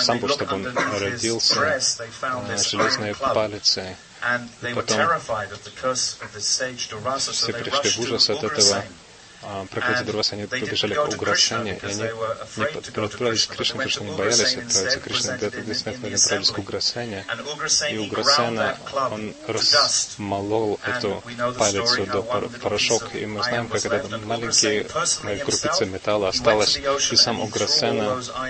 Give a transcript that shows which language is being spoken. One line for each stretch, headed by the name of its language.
Russian: Самбу, чтобы он родился на железной палице.
English: And they потом were terrified at the curse of this sage Durvasa, so
Russian: все пришли в ужас от этого проклятия Дурваса, они побежали к Уграсене, и они не отправились к Кришне, потому что они боялись отправиться к Кришне, действительно они отправились к Уграсене, и Уграсена, он размолол эту палец до порошок, и мы знаем, как эта маленькая крупица металла осталась, и сам Уграсена